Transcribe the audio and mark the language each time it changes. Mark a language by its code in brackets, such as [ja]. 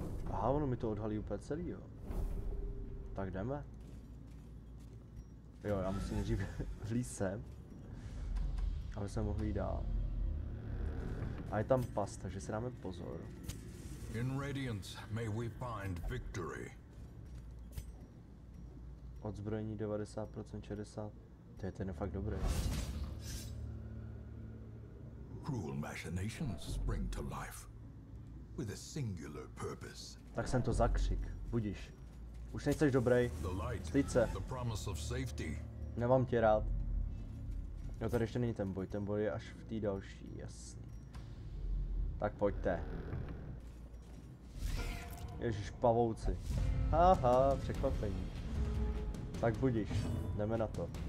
[cs] Aha, ono mi to odhalí úplně celý, jo. Tak jdeme. Jo, já musím nejdřív vlít sem, aby se mohl jít dál. A je tam pas, takže si dáme pozor. [en] In Radiance may we find victory. [cs] Odzbrojení 90%, 60%. To je ten fakt dobrý. [en] Cruel machinations spring to life with a singular purpose. [cs] Tak jsem to zakřik, budiš. Už nejseš dobrý. Stýd se. [en] The promise of safety. [cs] Nemám tě rád. Jo, tady ještě není ten boj je až v té další, jasný. Tak pojďte. Ježíš, pavouci. Haha, překvapení. Tak budiš, jdeme na to.